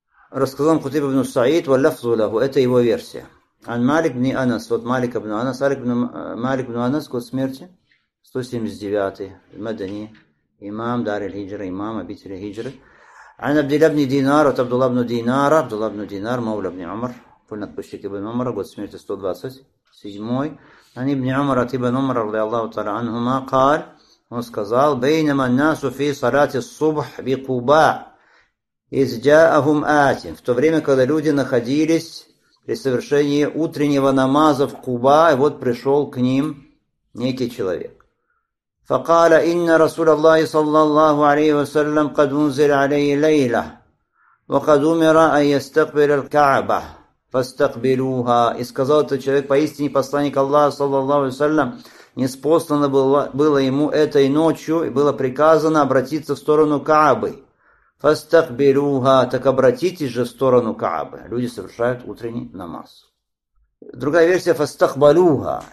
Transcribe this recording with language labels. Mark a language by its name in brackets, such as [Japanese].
[Russian] Рассказал Кутейб ибн Саид, [Arabic] валлафзу лаху. [Russian] Это его версия. Ан Малик ибн Анас. Вот Малик ибн Анас. Малик ибн Анас, год смерти. 179-й. Мадани. Имам Дар аль-Хиджра. Имам обители Хиджры. Ан Абдулла ибн Динар. От Абдулла ибн Динара. Абдулла ибн Динар. Мауля ибн Умар. Вольноотпущенник ибн Умара. Год смерти 127-й. [Arabic] عن ابن عمر ابن عمر رضي الله تعالى عنهما قال وسказал بينما الناس في صلاة الصبح بقباء إذ جاءهم آت. [Russian] В то время, когда люди находились при совершении утреннего намаза в Куба, и вот пришел к ним некий человек. [Arabic] فقال إن رسول الله صلى الله عليه وسلم قد أنزل عليه ليلة وقد أمر أن يستقبل الكعبة. Фастакбилуха. [Russian] И сказал этот человек, поистине посланник Аллаха, саллаллаху алейхи ва саллям, ниспослано было ему этой ночью, и было приказано обратиться в сторону Каабы. [Arabic] Фастакбилуха. [Russian] Так обратитесь же в сторону Каабы. Люди совершают утренний намаз. Другая версия, [Arabic] фастакбалуха.